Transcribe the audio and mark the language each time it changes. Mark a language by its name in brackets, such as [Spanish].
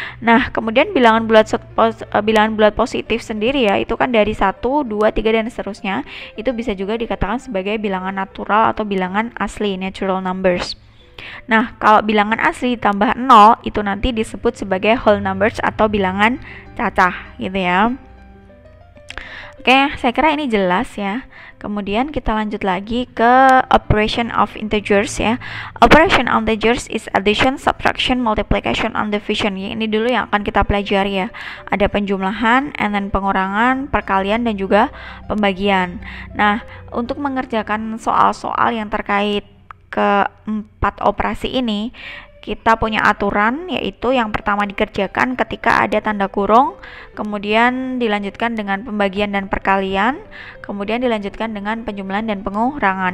[Indonesian] Nah, kemudian bilangan bulat positif sendiri ya, itu kan dari 1, 2, 3 dan seterusnya, itu bisa juga dikatakan sebagai bilangan natural atau bilangan asli, natural numbers. Nah, kalau bilangan asli ditambah 0 itu nanti disebut sebagai whole numbers atau bilangan cacah gitu ya. Oke, saya kira ini jelas ya. Kemudian kita lanjut lagi ke operation of integers ya. [English] Operation on integers is addition, subtraction, multiplication, and division. [Indonesian] Ini dulu yang akan kita pelajari ya. Ada penjumlahan, [English] and then [Indonesian] pengurangan, perkalian, dan juga pembagian. Nah, untuk mengerjakan soal-soal yang terkait keempat operasi ini, kita punya aturan, yaitu yang pertama dikerjakan ketika ada tanda kurung, kemudian dilanjutkan dengan pembagian dan perkalian, kemudian dilanjutkan dengan penjumlahan dan pengurangan.